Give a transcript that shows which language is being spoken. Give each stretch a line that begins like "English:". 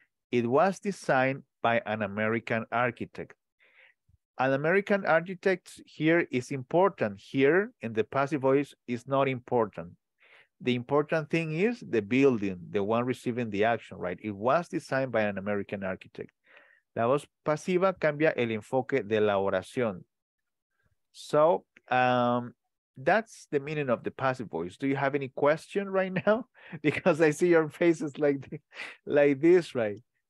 English: It was designed by an American architect. An American architect here is important. Here in the passive voice is not important. The important thing is the building, the one receiving the action, right? It was designed by an American architect.
Spanish: La voz pasiva cambia el enfoque de la oración.
English: So that's the meaning of the passive voice. Do you have any question right now? Because I see your faces like this, right?